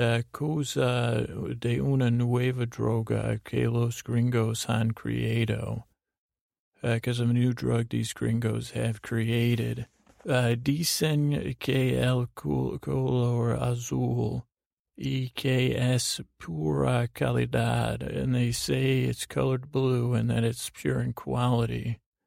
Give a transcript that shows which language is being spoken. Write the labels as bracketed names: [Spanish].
[Spanish] Cosa de una nueva droga que los gringos han creado. [English] Because of a new drug these gringos have created. [Spanish] Dicen que el color azul y que es pura calidad. [English] And they say it's colored blue and that it's pure in quality.